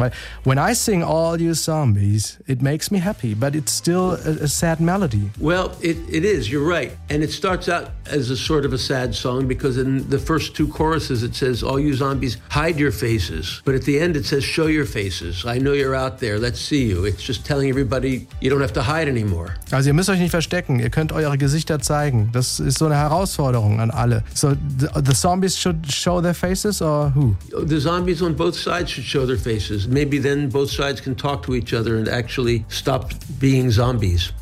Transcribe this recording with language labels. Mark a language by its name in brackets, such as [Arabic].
[English] Weil when I sing All You Zombies, it makes me happy, but it's still a sad melody. Well, it is, you're right. And it starts out as a sort of a sad song because in the first two choruses it says, all you zombies, hide your faces. But at the end it says, show your faces. I know you're out there, let's see you. It's just telling everybody, you don't have to hide anymore. [German] Also ihr müsst euch nicht verstecken, ihr könnt eure Gesichter zeigen. Das ist so eine Herausforderung an alle. [English] So the zombies should show their faces or who? The zombies on both sides should show their faces. Maybe then both sides can talk to each other and actually stop being zombies.